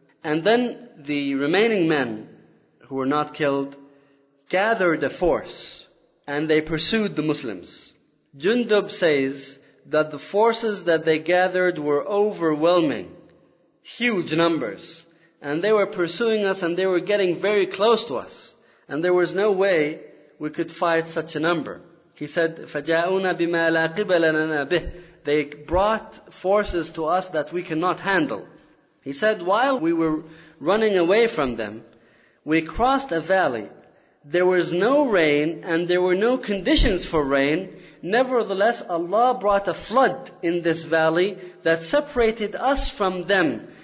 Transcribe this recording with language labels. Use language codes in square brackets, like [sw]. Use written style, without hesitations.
[en] And then the remaining men who were not killed gathered a force, and they pursued the Muslims. Jundub says that the forces that they gathered were overwhelming, huge numbers. And they were pursuing us, and they were getting very close to us. And there was no way we could fight such a number. He said, [ar] فَجَاءُونَا بِمَا لَا قِبَلَ لَنَا بِهِ. [en] They brought forces to us that we cannot handle. He said, while we were running away from them, we crossed a valley. There was no rain, and there were no conditions for rain. Nevertheless, Allah brought a flood in this valley that separated us from them.